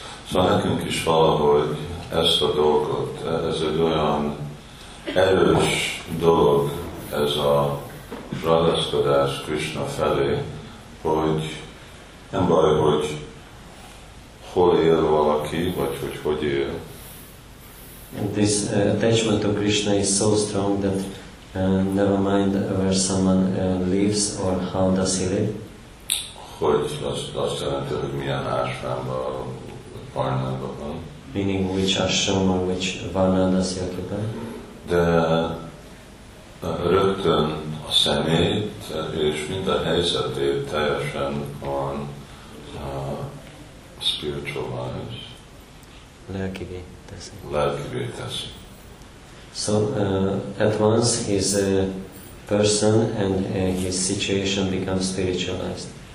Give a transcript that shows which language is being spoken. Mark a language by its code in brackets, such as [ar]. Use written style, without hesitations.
[hu] Szóval nekünk is valahogy ezt a dolgot, ez egy olyan erős dolog, ez a ragaszkodás Krisna felé, hogy nem baj, hogy hol él valaki, vagy hogy hogy él. [en] And this attachment to Krishna is so strong that never mind where someone lives or how does he live. [hu] Hogy azt jelenti, hogy milyen ásrámban, varnában van. [en] Meaning which ashram or which varna does he occupy. [hu] De rögtön a szemét és mind a helyzetét teljesen [en] on spiritualized. [hu] Lelkivé teszi. [en] So at once his person and his situation becomes spiritualized.